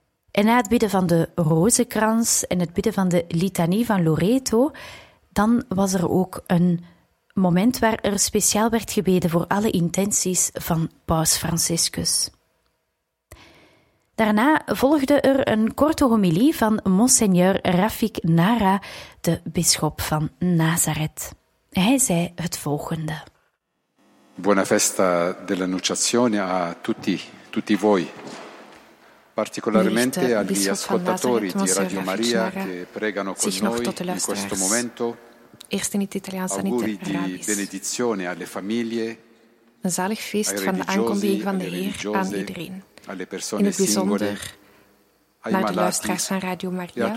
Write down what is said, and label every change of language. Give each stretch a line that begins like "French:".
Dutch: En na het bidden van de Rozenkrans en het bidden van de litanie van Loreto, dan was er ook een moment waar er speciaal werd gebeden voor alle intenties van Paus Franciscus. Daarna volgde er een korte homilie van Monseigneur Rafik Nara, de bisschop van Nazareth. Hij zei het volgende:
Italian: Buona festa dell'Annunciazione a tutti voi. Particolarmente agli ascoltatori di Radio Maria che pregano con noi in questo momento.
Dutch: Eerst in het Italiaans dan in het Arabisch.
Italian: Auguri di benedizione alle famiglie.
Dutch: Een zalig feest van de aankondiging van de Heer aan iedereen.
Italian: Alle persone singole,
Dutch: naar de luisteraars van Radio Maria,